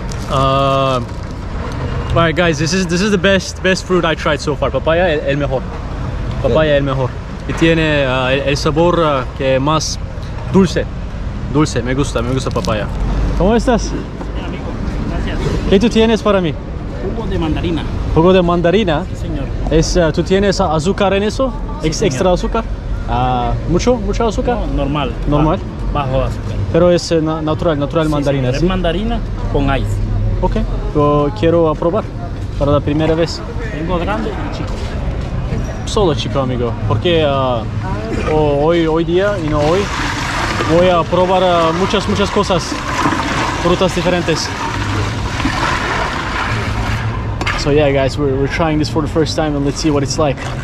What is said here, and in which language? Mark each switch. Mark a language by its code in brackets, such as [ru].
[en] All right, guys, this is the best fruit I tried so far. [es] Papaya, el mejor. Papaya, el mejor. Y tiene el sabor que es más dulce. Dulce, me gusta papaya. ¿Cómo estás? Bien, amigo, gracias. ¿Qué tú tienes para mí? Jugo de mandarina. ¿Jugo de mandarina? Sí, señor. Es, ¿tú tienes azúcar en eso? Sí, ¿Extra azúcar? ¿Mucho azúcar? No, normal. ¿Normal? Bajo azúcar. Pero es natural sí, mandarina, señor. ¿Sí? Es mandarina con ice. Ok, yo quiero probar para la primera vez. Tengo grande y chico. Solo chico, amigo, porque hoy día y no hoy voy a probar muchas cosas, frutas diferentes. [en] So yeah, guys, we're trying this for the first time and let's see what it's like.